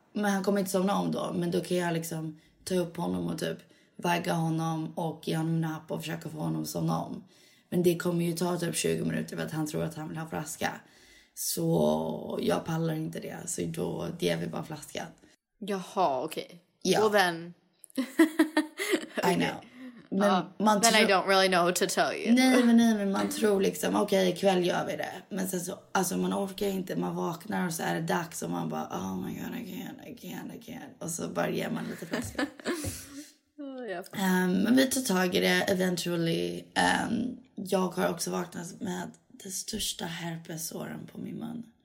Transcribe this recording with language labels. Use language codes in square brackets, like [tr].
[sv] Men han kommer inte somna om då. Men då kan jag liksom ta upp honom och typ vagga honom och ge honom napp och försöka få honom somna om. Men det kommer ju ta typ 20 minuter för att han tror att han vill ha flaska. Så jag pallar inte det. Så då ger vi bara flaskan. Jaha, okej. [en] Okay. Yeah. Well then. Okay. I know. [sv] Men man [en] then I don't really know what to tell you. [sv] Nej, men man tror liksom, okej, ikväll gör vi det. Men sen så, alltså man orkar inte, man vaknar och så är det dags och man bara, [en] oh my god, I I can't. [sv] Och så bara ger man lite flaska. Men vi tar tag i det eventually. Jag har också vaknat med det största herpesåren på min mun.